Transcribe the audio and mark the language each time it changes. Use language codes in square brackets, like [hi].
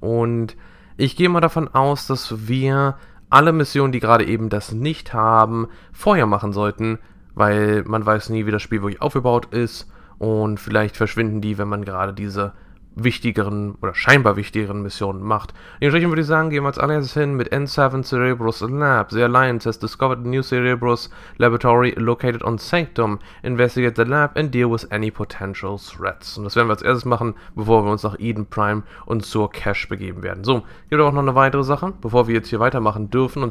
[de] Und ich gehe mal davon aus, dass wir alle Missionen, die gerade eben das nicht haben, vorher machen sollten, weil man weiß nie, wie das Spiel wirklich aufgebaut ist. Und vielleicht verschwinden die, wenn man gerade diese wichtigeren oder scheinbar wichtigeren Missionen macht. Dementsprechend würde ich sagen, gehen wir als allererstes hin mit N7 Cerebrus Lab. [en] The Alliance has discovered a new Cerebrus Laboratory located on Sanctum. Investigate the lab and deal with any potential threats. [de] Und das werden wir als erstes machen, bevor wir uns nach Eden Prime und zur Cache begeben werden. So, gibt auch noch eine weitere Sache, bevor wir jetzt hier weitermachen dürfen.